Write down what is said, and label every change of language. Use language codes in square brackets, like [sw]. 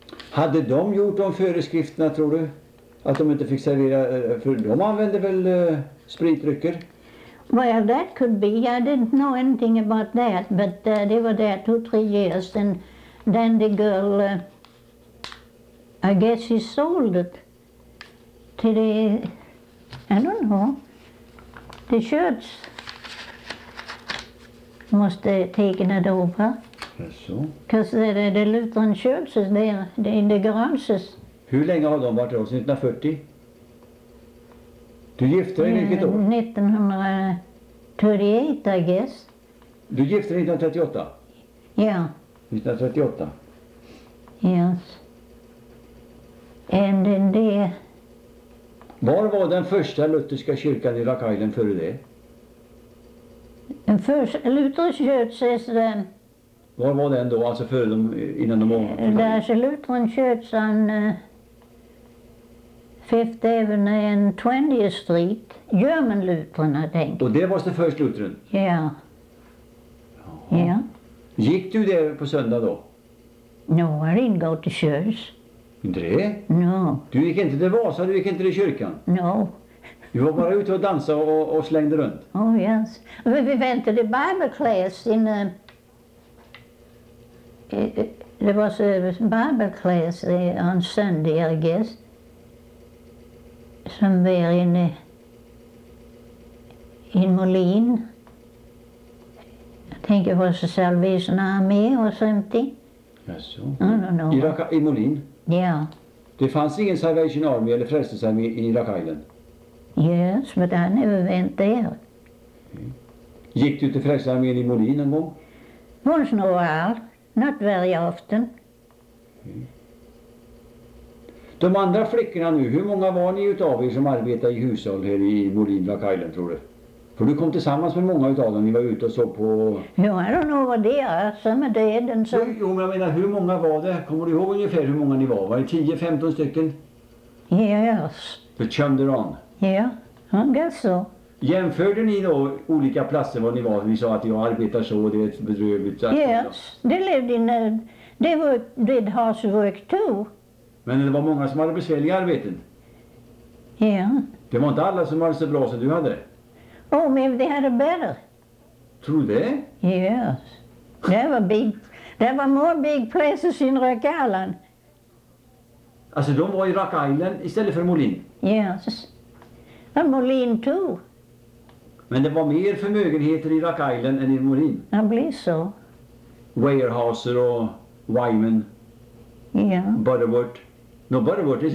[sv] Hade de gjort de föreskrifterna, tror du? Att de inte fick servera, för de använde väl spritdrycker? [en] Well, that could be. I didn't know anything about that, but they were there 2-3 years and then the girl, I guess she sold it to the, I don't know, the church must have taken it over. Because the Lutheran church is there, the, in the garages. [sv] Hur länge har de varit då? 1940? Du gifte dig vilket år? [en] 1938, I guess. [sv] Du gifte dig 1938? Ja. 1938? [en] Yes. And in the... [sv] Var var den första lutherska kyrkan i Rock Island före det? Den första lutherska kyrkan är den... Var var den då, alltså före dem, innan de var... Det är [en] Lutheran church on 5th Avenue and 20th Street. German Lutheran, I think. [sv] Och det var det första Lutheran? Ja. Yeah. Ja. Yeah. Gick du där på söndag då? [en] No, I didn't go to church. [sv] Inte det? [en] No. [sv] Du gick inte till Vasa, du gick inte till kyrkan? [en] No. [sv] Du var bara ute och dansade och slängde runt? [en] Oh, yes. We went to the Bible class in a... There was a Bible class there on Sunday, I guess. Somewhere in Moline. I think it was the Salvation Army or something. Yes, so. I don't know. [sv] I Moline? [en] Yeah. [sv] Det fanns ingen Salvation Army eller Frälsningsarmé i Rock Island? [en] Yes, but I never went there. Okay. [sv] Gick du till Frälsningsarmén i Moline en gång? [en] Once in a while. Not very often. [sv] De andra flickorna nu, hur många var ni utav er som arbetade i hushåll här i Moline, Rock Island, tror du? För du kom tillsammans med många utav dem, ni var ute och så på... [en] No, I don't know what they are, some are dead and some... [sv] Jo, men jag menar, hur många var det? Kommer du ihåg ungefär hur många ni var? Var det 10-15 stycken? [en] Yes. The Chunderon? Yeah, I guess so. [sv] Jämförde ni då olika platser var ni var? Ni sa att jag arbetar så och det är ett bedrövligt... [en] Yes, they lived in a... They did house work too. [sv] Men det var många som hade besvärliga arbeten. Ja. Yeah. Det var inte alla som hade så bra som du hade. [en] Oh, maybe they had a better. [sv] Tror du det? [en] Yes. There were big... There were more big places in Rock Island. [sv] Alltså, de var i Rock Island istället för Moline? [en] Yes. And Moline too. [sv] Men det var mer förmögenheter i Rock Island än i Moline? [en] I believe so. [sv] Weyerhauser och Wyman. Ja. Yeah. [en] Butterworth. No, Butterworth is